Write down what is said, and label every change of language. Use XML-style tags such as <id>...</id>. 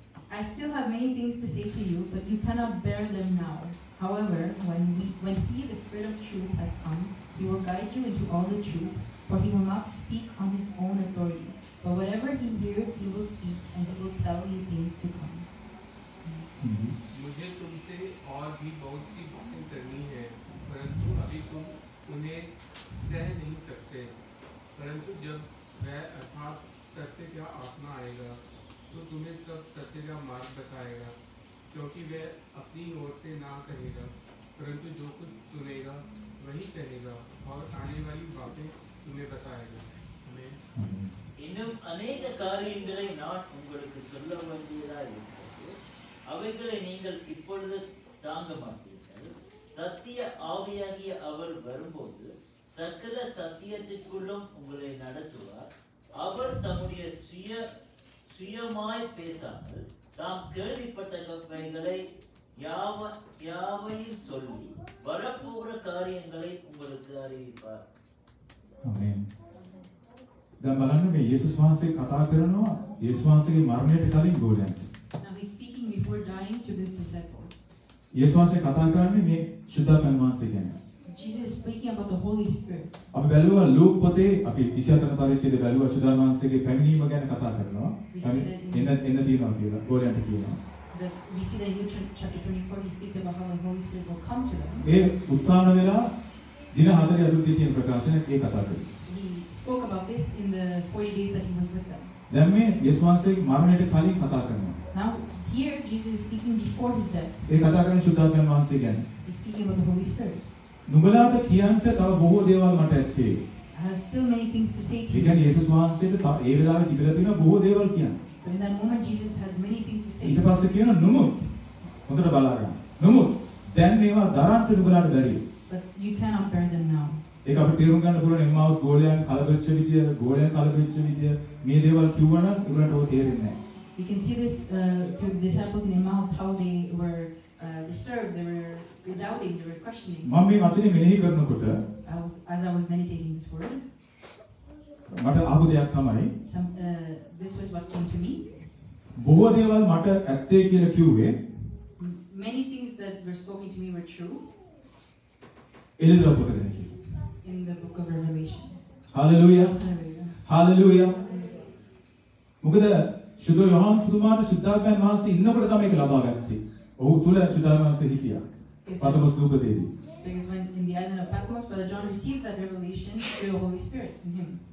<en>I still have many things to say to you, but you cannot bear them now. However, when he, the Spirit of truth, has come, he will guide you into all the truth, for he will not speak on his own authority. But whatever he hears, he will speak, and he will tell you things to come.</en> <hi>मुझे तुमसे और भी बहुत सी बातें करनी है, परंतु अभी तुम उन्हें सह नहीं सकते। परंतु जब वह अर्थात सत्य का आत्मा आएगा, तो तुम्हें सब सत्य का मार्ग बताएगा, क्योंकि वह अपनी ओर से ना कहेगा, परंतु जो कुछ सुनेगा, वही कहेगा, और आने वाली बातें तुम्हें बताएगा।</hi> <ta>இன்னும் அநேக காரியங்களை நான் உங்களுக்கு சொல்ல வேண்டியதாக இருக்கிறது. அவைகளை நீங்கள் இப்பொழுது தாங்க மாட்டீர்கள். சத்திய ஆவியாகிய அவர் வரும்போது சகல சத்தியத்திற்குள்ளும் உங்களை நடத்துவார். அவர் தம்முடைய சுயமாய் பேசாமல் தாம் கேள்விப்பட்ட கவைகளை யாவையும் சொல்லி வரப்போகிற காரியங்களை உங்களுக்கு அறிவிப்பார்.</ta> <si>දැන් බලන්න මේ යේසුස් වහන්සේ කතා කරනවා යේසුස් වහන්සේගේ මරණයට කලින් ගෝලයන්ට.</si> <en>Now he's speaking before dying to his disciples.</en> <si>යේසුස් වහන්සේ කතා කරන්නේ මේ ශුද්ධාත්ම වහන්සේ ගැන.</si> <en>Jesus is speaking about the Holy Spirit.</en> <si>අපි බැලුවා ලූක් පොතේ අපි 24 පරිච්ඡේදය බැලුවා ශුද්ධාත්ම වහන්සේගේ පැමිණීම ගැන කතා කරනවා. එන්න තියෙනවා කියලා ගෝලයන්ට කියනවා.</si> <en>We see that in Luke chapter 24 he speaks about how the Holy Spirit will come to them.</en> <si>ඒ උත්සාහන වෙලා දින 4 අතුරදී තියෙන ප්‍රකාශනයක් ඒ කතා කරනවා.</si> <en>Spoke about this in the 40 days that he was with them.</en> <si>දැන් මේ යේසුස්වහන්සේ මරණයට කලින් කතා කරනවා.</si> <en>Now here Jesus is speaking before his death.</en> <si>ඒ කතා කරන්නේ ශුද්ධාත්ම වහන්සේ ගැන.</si> <en>He's speaking about the Holy Spirit.</en> <si>නුඹලාට කියන්න තව බොහෝ දේවල් මට ඇත්තේ.</si> <en>I have still many things to say to you.</en> <si>ඒ කියන්නේ යේසුස්වහන්සේට ඒ වෙලාවේ තිබිලා තියෙන බොහෝ දේවල් කියන්න.</si> <en>So in that moment Jesus had many things to say.</en> <si>ඊට පස්සේ කියන නුමුත් හොඳට බලන්න. නුමුත් දැන් මේවා දරන්න නුඹලාට බැරි.</si> <en>But you cannot bear them now.</en> <si>ඒක අපි තේරුම් ගන්න පුළුවන් එම්මාස් ගෝලයන් කලබලච්ච විදිය ගෝලයන් කලබලච්ච විදිය මේ දේවල් කිව්වනම් උරට ඔය තේරෙන්නේ නැහැ.</si> <en>We can see this through the disciples in Emmaus how they were disturbed, they were doubting, they were questioning.</en> <si>මම මේ වචනේ මෙනෙහි කරනකොට</si> <en>as I was meditating this word</en> <si>මට ආපු දෙයක් තමයි</si> <en>this was what came to me.</en> <si>බොහෝ දේවල් මට ඇත්තේ කියලා කිව්වේ</si> <en>many things that were spoken to me were true.</en> <si>එළිදල පොතේ</si> <en>in the book of revelation. Hallelujah. Hallelujah.</en> <si>මොකද සුද යෝහන් පුතුමාගේ සුද්ධාත්මයන් වහන්සේ ඉන්නකොට තමයි ඒක ලබා ගත්තේ. ඔහු තුල සුද්ධාත්මයන් වහන්සේ හිටියා. පතමස් ලූකදී.</si> <en>Because when in the island of Patmos where John received that revelation through the Holy Spirit in him.</en>